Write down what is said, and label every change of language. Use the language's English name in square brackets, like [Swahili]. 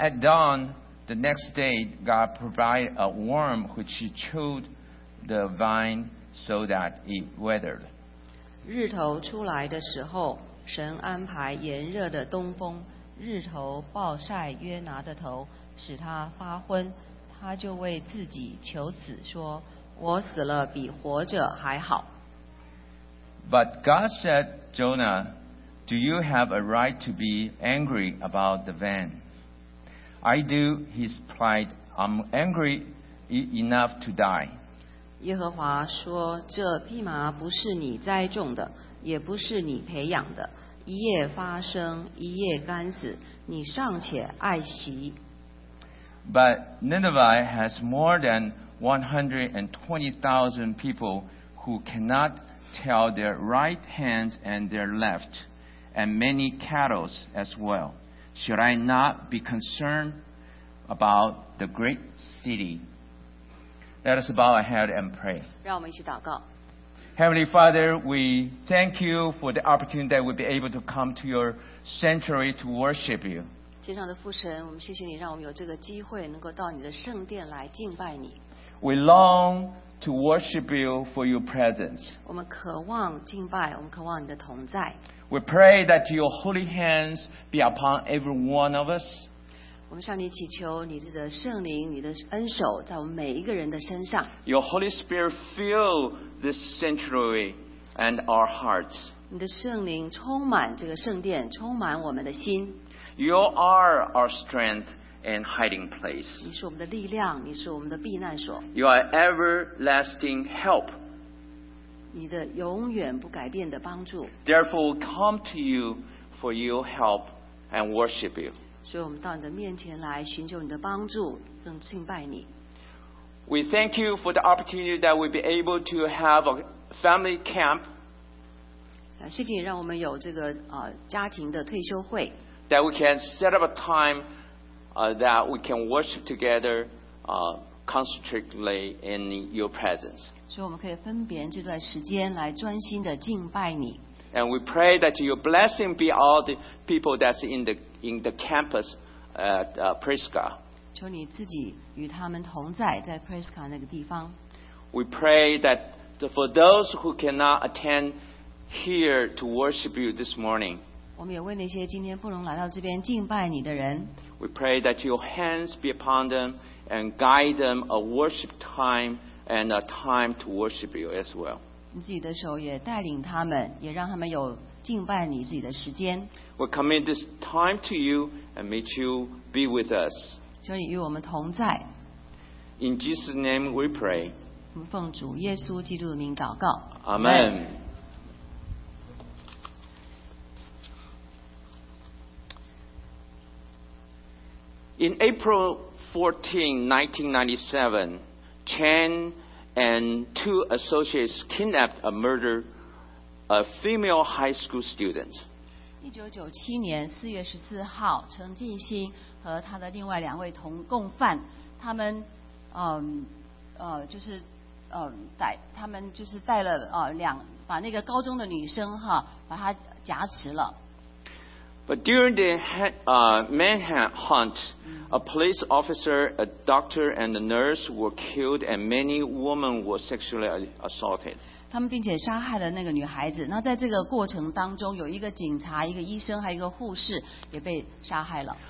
[English] at dawn the next day, God provided a worm which chewed the vine so that it withered. [Chinese] 日头出来的时候，神安排炎热的东风，日头暴晒约拿的头。使他发昏，他就为自己求死说：“我死了比活着还好。” [English] But God said, Jonah, do you have a right to be angry about the vine? I do, he replied. I'm angry enough to die. [Chinese] 耶和华说：“这蓖麻不是你栽种的，也不是你培养的，一夜发生，一夜干死，你尚且爱惜。” [English] But Nineveh has more than 120,000 people who cannot tell their right hands and their left, and many cattle as well. Should I not be concerned about the great city? Let us bow our head and pray. Heavenly Father, we thank you for the opportunity that we'll be able to come to your sanctuary to worship you. [Chinese] 天上的父神，我们谢谢你，让我们有这个机会能够到你的圣殿来敬拜你。 [English] We long to worship you for your presence. [Chinese] 我们渴望敬拜，我们渴望你的同在。 [English] We pray that your holy hands be upon every one of us. [Chinese] 我们向你祈求你的圣灵，你的恩手在我们每一个人的身上。 [English] Your Holy Spirit fill this sanctuary and our hearts. [Chinese] 你的圣灵充满这个圣殿，充满我们的心。 [English] You are our strength and hiding place. [Chinese] 你是我们的力量，你是我们的避难所。 [English] You are everlasting help. [Chinese] 你的永远不改变的帮助。 [English] Therefore, we come to you for your help and worship you. [Chinese] 所以我们到你的面前来寻求你的帮助，更敬拜你。 [English] We thank you for the opportunity that we'll be able to have a family camp. [Chinese] 谢谢你让我们有这个家庭的退休会。 [English] That we can set up a time that we can worship together concentratedly in your presence. [Chinese] 所以我们可以分别这段时间来专心的敬拜你。 [English] And we pray that your blessing be all the people that's in the campus at Prisca. [Chinese] 求你自己与他们同在，在 Prisca 那个地方。 [English] We pray that for those who cannot attend here to worship you this morning. [Chinese] 我们也为那些今天不能来到这边敬拜你的人。 [English] We pray that your hands be upon them and guide them a worship time and a time to worship you as well. [Chinese] 你自己的手也带领他们，也让他们有敬拜你自己的时间。 [English] We commit this time to you and may you be with us. [Chinese] 求你与我们同在。 [English] In Jesus' name we pray. [Chinese] 我们奉主耶稣基督的名祷告。 [English] Amen. In April 14, 1997, Chen and two associates kidnapped and murdered a female high school student. [Chinese] 1997年4月14号，陈进兴和他的另外两位同共犯，把那个高中的女生哈，把她挟持了。 [English] But during the manhunt, a police officer, a doctor, and a nurse were killed, and many women were sexually assaulted. [Chinese] 他们并且杀害了那个女孩子。那在这个过程当中，有一个警察、一个医生，还有一个护士也被杀害了。